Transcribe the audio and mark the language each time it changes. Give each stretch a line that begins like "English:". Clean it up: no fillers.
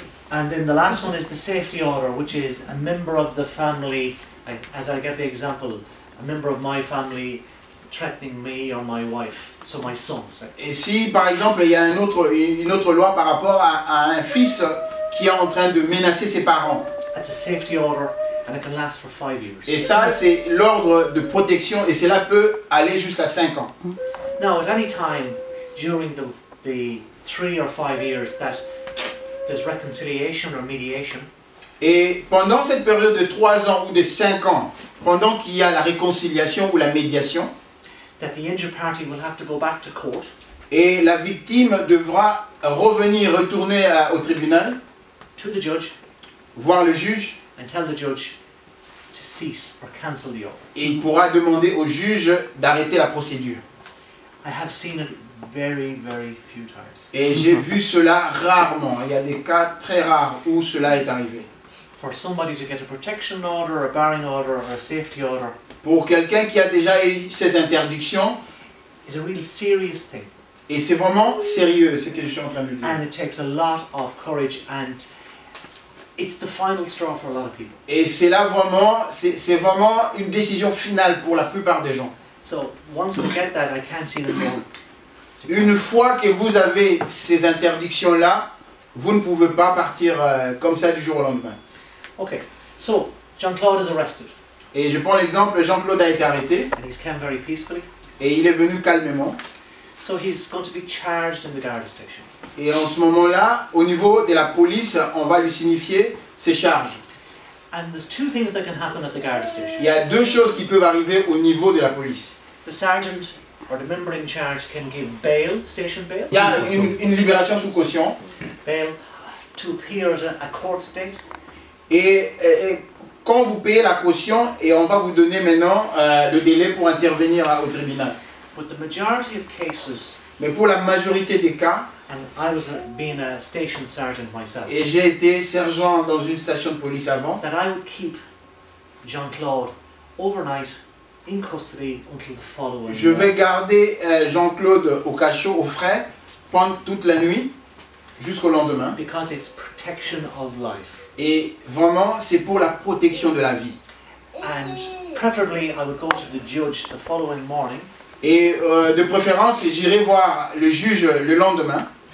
English: And then the last one is the safety order, which is a member of the family, as I get the example, a member of my family threatening me or my wife, so my son. So.
French: Et si, par exemple, il y a une autre loi par rapport à un fils qui est en train de menacer ses parents.
English: That's a safety order. And it can last for 5 years.
French: Et ça, c'est l'ordre de protection, et cela peut aller jusqu'à 5 ans.
English: Now, at any time during the 3 or 5 years that there's reconciliation or mediation.
French: Et pendant cette période de 3 ans ou de 5 ans, pendant qu'il y a la réconciliation ou la médiation,
English: that the injured party will have to go back to court.
French: Et la victime devra retourner au tribunal,
English: to the judge,
French: voir le juge.
English: And tell the judge to cease or cancel the order.
French: Et il pourra demander au juge d'arrêter la procédure.
English: I have seen it very, very few times.
French: Et j'ai vu cela rarement. Il y a des cas très rares où cela est arrivé.
English: For somebody to get a protection order, a barring order, or a safety order.
French: Pour quelqu'un qui a déjà eu ces interdictions.
English: Is a real serious thing.
French: Et c'est vraiment sérieux ce que je suis en train de dire.
English: And it takes a lot of courage and. It's the final straw for a lot of people.
French: Et c'est là vraiment, c'est vraiment une décision finale pour la plupart des gens.
English: So once they get that, I can't see the point.
French: Une fois que vous avez ces interdictions là, vous ne pouvez pas partir comme ça du jour au lendemain.
English: Okay. So Jean-Claude is arrested.
French: Et je prends l'exemple, Jean-Claude a été arrêté.
English: And he's come very peacefully.
French: Et il est venu calmement.
English: So he's going to be charged in the guard station.
French: Et en ce moment-là, au niveau de la police, on va lui signifier ses charges.
English: And there's two things that can happen at the guard station.
French: Il y a deux choses qui peuvent arriver au niveau de la police.
English: The sergeant or the member in charge can give bail, station bail.
French: Il y a une libération sous caution.
English: Bail to appear at a court date.
French: Et quand vous payez la caution, et on va vous donner maintenant le délai pour intervenir au tribunal.
English: But the majority of cases,
French: mais pour la majorité des cas,
English: and I was being a station sergeant myself,
French: et j'ai été sergent dans une station de police avant,
English: that I would keep Jean-Claude overnight in custody until the following
French: je vais
English: night.
French: Garder Jean-Claude au cachot, au frais, pendant toute la nuit, jusqu'au lendemain.
English: Because it's protection of life.
French: Et vraiment, c'est pour la protection de la vie.
English: And preferably, I would go to the judge the following morning.
French: Et de préférence, j'irai voir le juge le lendemain.